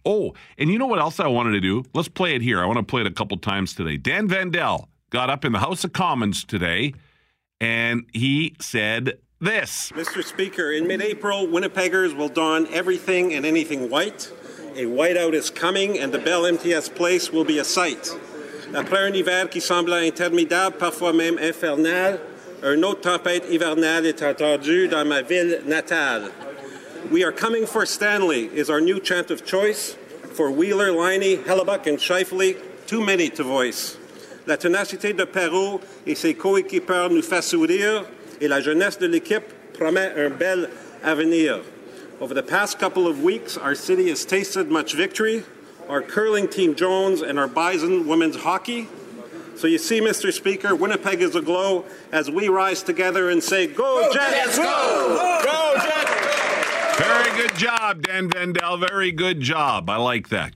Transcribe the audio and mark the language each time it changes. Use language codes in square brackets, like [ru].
[en] Oh, and you know what else I wanted to do? Let's play it here. I want to play it a couple times today. Dan Vandell got up in the House of Commons today, and he said this. Mr. Speaker, in mid-April, Winnipeggers will don everything and anything white. A whiteout is coming, and the Bell MTS place will be a sight. [fr] Après un hiver qui semble interminable, parfois même infernal, une autre tempête hivernale est attendue dans ma ville natale. [en] We are coming for Stanley is our new chant of choice for Wheeler, Liney, Hellebuck, and Shifley, too many to voice. [fr] La tenacité de Perrault et ses coéquipeurs nous fait sourire, et la jeunesse de l'équipe promet un bel avenir. [en] Over the past couple of weeks, our city has tasted much victory, our curling team Jones and our Bison women's hockey. So you see, Mr. Speaker, Winnipeg is aglow as we rise together and say, go, go Jets, Jets, go! Go, Jets! Very good job, Dan Vandell. Very good job. I like that.